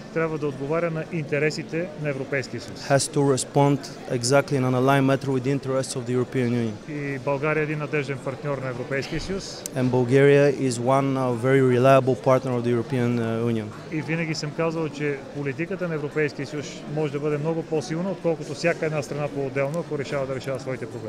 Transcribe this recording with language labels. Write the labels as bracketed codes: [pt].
[bg] Трябва да отговаря на интересите на Европейския съюз. [en] Has to respond exactly in an aligned manner with the interests of the European Union. [bg] И България е един надежден партньор на Европейския съюз. [en] And Bulgaria is one very reliable partner of the European Union. [bg] И винаги съм казвал, че политиката на Европейския съюз може да бъде много по-силна, отколкото всяка една страна по-отделно, ако решава да решава своите проблеми.